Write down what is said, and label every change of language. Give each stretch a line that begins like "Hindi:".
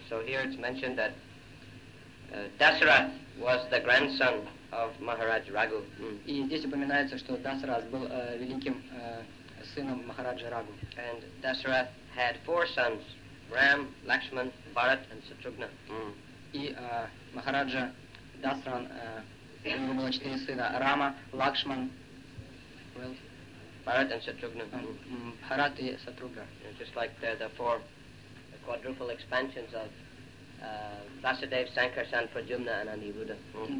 English: So here it's mentioned that Dasarath was the grandson of Maharaja Raghu.
Russian: И здесь упоминается, что Дасарат был великим сыном Махараджа Рагу.
English: And Dasarath had four sons: Ram, Lakshman, Bharat, and Shatrughna.
Russian: И Махараджа Дасран, у него было четыре сына: Рама, Лакшман,
English: Bharat and Shatrughna.
Russian: Bharat и Shatrughna.
English: Just like the four the quadruple expansions of Vasudev, Sankarsan, Pradyumna and Aniruddha.